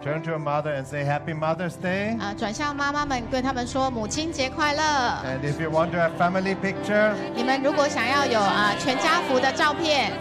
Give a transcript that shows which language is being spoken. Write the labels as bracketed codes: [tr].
[en] Turn to your mother and say Happy Mother's Day. [zh] 转向妈妈们，跟他们说母亲节快乐。 [en] And if you want to have family picture, [zh] 你们如果想要有全家福的照片